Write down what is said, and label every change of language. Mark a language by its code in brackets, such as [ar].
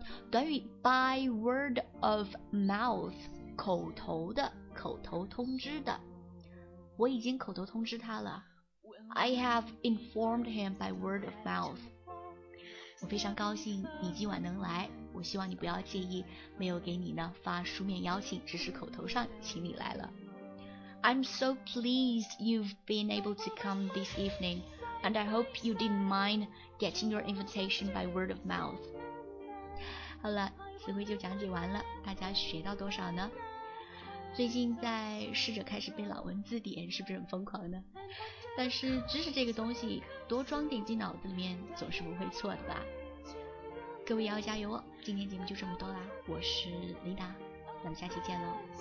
[zh] 短语 by word of mouth，口头的、口头通知的。我已经口头通知他了。 [en] I have informed him by word of mouth。 [zh] 我非常高兴你今晚能来，我希望你不要介意没有给你呢发书面邀请，只是口头上请你来了。 [en] I'm so pleased you've been able to come this evening, and I hope you didn't mind getting your invitation by word of mouth。 [zh] 好了，词汇就讲解完了，大家学到多少呢？最近在试着开始背老文字典，是不是很疯狂呢？但是知识这个东西多装点进脑子里面总是不会错的吧。各位要加油哦，今天节目就这么多啦，我是琳达，咱们下期见喽。